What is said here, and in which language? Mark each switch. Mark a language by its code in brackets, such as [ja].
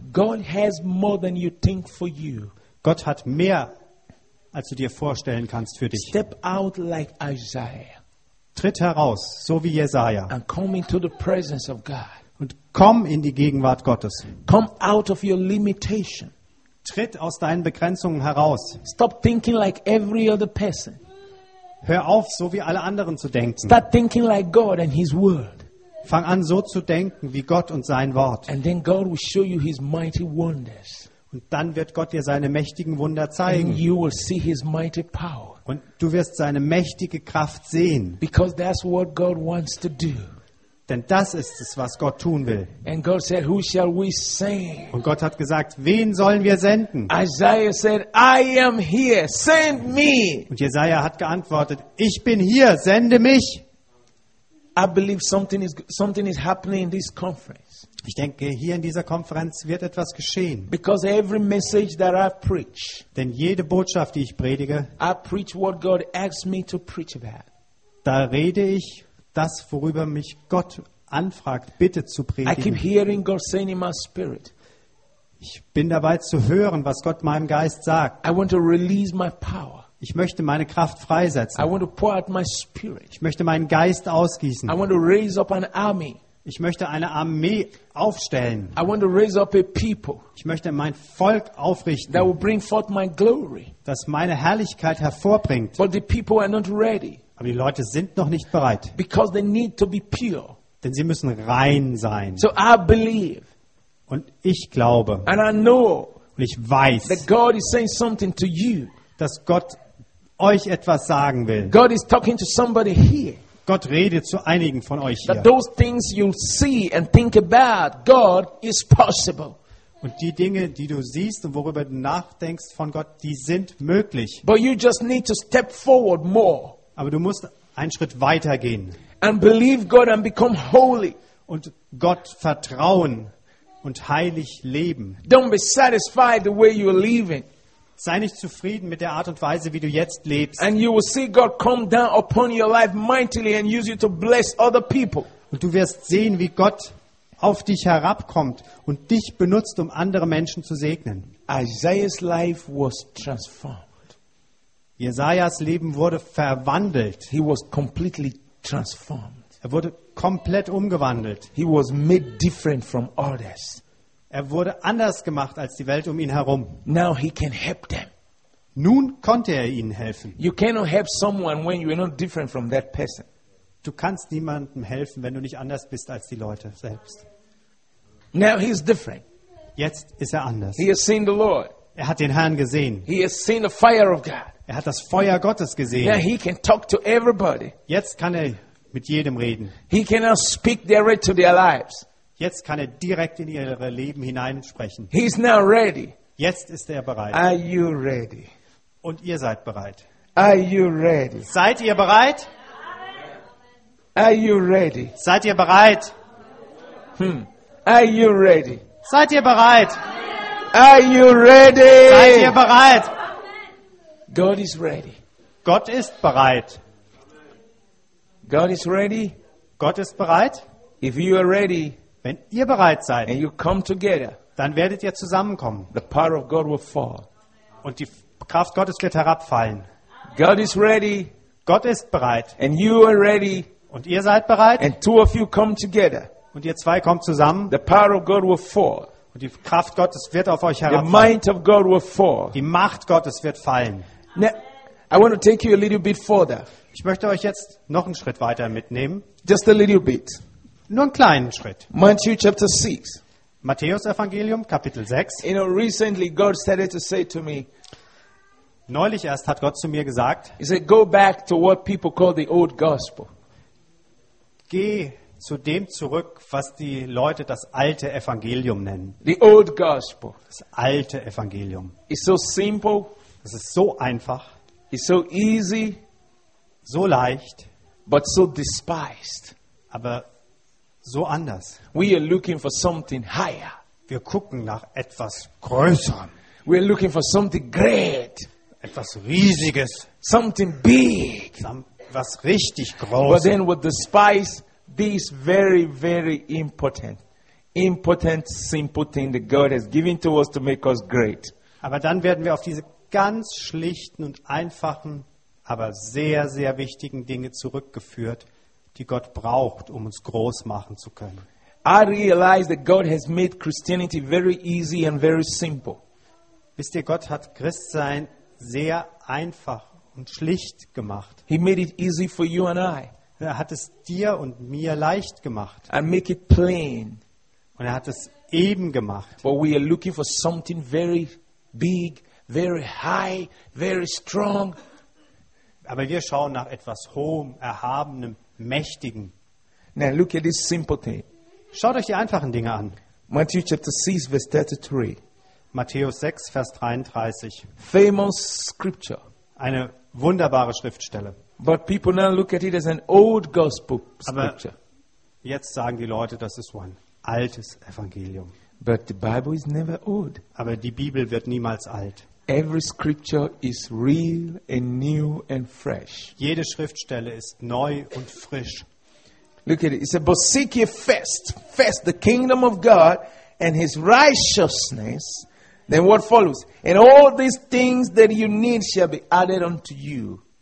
[en] God has more than you think for you. [de] Gott hat mehr, als du dir vorstellen kannst für dich. [en] Step out like Isaiah. [de] Tritt heraus, so wie Jesaja. [en] And come into the presence of God. [de] Und komm in die Gegenwart Gottes. [en] Come out of your limitation. [de] Tritt aus deinen Begrenzungen heraus. [en] Stop thinking like every other person. [de] Hör auf, so wie alle anderen zu denken. [en] Start thinking like God and his word. [de] Fang an, so zu denken wie Gott und sein Wort. [en] And then God will show you his mighty wonders. [de] Und dann wird Gott dir seine mächtigen Wunder zeigen. [en] And you will see his mighty power. [de] Und du wirst seine mächtige Kraft sehen. [en] Because that's what God wants to do. [de] Denn das ist es, was Gott tun will. [en] And God said, "Who shall we send?" [de] Und Gott hat gesagt, wen sollen wir senden? [en] Isaiah said, "I am here. Send me." [de] Und Jesaja hat geantwortet, ich bin hier, sende mich. [en] I believe something is happening in this conference. [de] Ich denke, hier in dieser Konferenz wird etwas geschehen. [en] Because every message that I preach, [de] denn jede Botschaft, die ich predige, [en] I preach what God asks me to preach about. [de] Da rede ich das, worüber mich Gott anfragt, bitte zu predigen. [en] I keep hearing God saying in my spirit. [de] Ich bin dabei zu hören, was Gott meinem Geist sagt. [en] I want to release my power. [de] Ich möchte meine Kraft freisetzen. [en] I want to pour out my spirit. [de] Ich möchte meinen Geist ausgießen. [en] I want to raise up an army. [de] Ich möchte eine Armee aufstellen. [en] I want to raise up a people. [de] Ich möchte mein Volk aufrichten. [en] That will bring forth my glory. [de] Das meine Herrlichkeit hervorbringt. [en] But the people are not ready. [de] Aber die Leute sind noch nicht bereit. [en] Because they need to be pure. [de] Denn sie müssen rein sein. [en] So I believe. [de] Und ich glaube. [en] And I know. [de] Und ich weiß. [en] That God is saying something to you. [de] Dass Gott euch etwas sagen will. [en] God is talking to somebody here. [de] Gott redet zu einigen von euch hier. [en] That those things you see and think about, God is possible. [de] Und die Dinge, die du siehst und worüber du nachdenkst von Gott, die sind möglich. [en] But you just need to step forward more. [de] Aber du musst einen Schritt weiter gehen. [en] And believe God and become holy. [de] Und Gott vertrauen und heilig leben. [en] Don't be satisfied the way you are living. [de] Sei nicht zufrieden mit der Art und Weise, wie du jetzt lebst. [en] And you will see God come down upon your life mightily and use you to bless other people. [de] Und du wirst sehen, wie Gott auf dich herabkommt und dich benutzt, um andere Menschen zu segnen. [en] Isaiah's life was transformed. [de] Jesajas Leben wurde verwandelt. [en] He was completely transformed. [de] Er wurde komplett umgewandelt. [en] He was made different from others. [de] Er wurde anders gemacht als die Welt um ihn herum. [en] Now he can help them. [de] Nun konnte er ihnen helfen. [en] You cannot help someone when you are not different from that person. [de] Du kannst niemandem helfen, wenn du nicht anders bist als die Leute selbst. [en] Now he is different. [de] Jetzt ist er anders. [en] He has seen the Lord. [de] Er hat den Herrn gesehen. [en] He has seen the fire of God. [de] Er hat das Feuer Gottes gesehen. [en] Now he can talk to everybody. [de] Jetzt kann er mit jedem reden. [en] He can now speak direct to their lives. [de] Jetzt kann er direkt in ihre Leben hineinsprechen. [en] He is now ready. [de] Jetzt ist er bereit. [en] Are you ready? [de] Und ihr seid bereit. [en] Are you ready? [de] Seid ihr bereit? [en] Are you ready? [de] Seid ihr bereit? [en] Are you ready? [de] Seid ihr bereit? [en] Are you ready? [de] Seid ihr bereit? [en] God is ready. [de] Gott ist bereit. [en] God is ready. [de] Gott ist bereit. [en] If you are ready, [de] wenn ihr bereit seid, [en] and you come together, [de] dann werdet ihr zusammenkommen. [en] The power of God will fall. [de] Und die Kraft Gottes wird herabfallen. [en] God is ready. [de] Gott ist bereit. [en] And you are ready. [de] Und ihr seid bereit. [en] And two of you come together. [de] Und ihr zwei kommt zusammen. [en] The power of God will fall. [de] Und die Kraft Gottes wird auf euch herabfallen. [en] The might of God will fall. [de] Die Macht Gottes wird fallen. [en] Now, I want to take you a little bit further. [de] Ich möchte euch jetzt noch einen Schritt weiter mitnehmen. [en] Just a little bit. [de] Nur einen kleinen Schritt. [en] Matthew chapter 6. [de] Matthäus Evangelium Kapitel 6. [en] You know, recently God started to say to me. [de] Neulich erst hat Gott zu mir gesagt. [en] He said, go back to what people call the old gospel. [de] Geh zu dem zurück, was die Leute das alte Evangelium nennen. [en] The old gospel. [de] Das alte Evangelium. [en] It's so simple. [de] Es ist so einfach. [en] It's so easy. [de] So leicht. [en] But so despised. [de] Aber so anders. [en] We are looking for something higher. [de] Wir gucken nach etwas Größerem. [en] We are looking for something great. [de] Etwas Riesiges. [en] Something big. [de] Was richtig Großes. [en] But then we despise this very, very important, important, simple thing that God has given to us to make us great. [de] Aber dann werden wir auf diese ganz schlichten und einfachen, aber sehr, sehr wichtigen Dinge zurückgeführt, die Gott braucht, um uns groß machen zu können. [en] I realize that God has made Christianity very easy and very simple. [de] Wisst ihr, Gott hat Christsein sehr einfach und schlicht gemacht. [en] He made it easy for you and I. [de] Er hat es dir und mir leicht gemacht. [en] And make it plain. [de] Und er hat es eben gemacht. [en] But we are looking for something very big, very high, very strong. [de] Aber wir schauen nach etwas Hohem, Erhabenem, Mächtigen. [en] Now look at this simple thing. [de] Schaut euch die einfachen Dinge an. [en] Matthew chapter 6, verse 33. [de] Matthäus 6, Vers 33. [en] Famous scripture. [de] Eine wunderbare Schriftstelle. [en] But people now look at it as an old gospel scripture. [de] Aber jetzt sagen die Leute, das ist ein altes Evangelium. [en] But the Bible is never old. [de] Aber die Bibel wird niemals alt. [en] Every scripture is real and new and fresh. [de] Jede Schriftstelle ist neu und frisch. [en] Look at it. It's a "But seek ye first the kingdom of God and his righteousness." Then what follows? And all these things that you need shall be added unto you.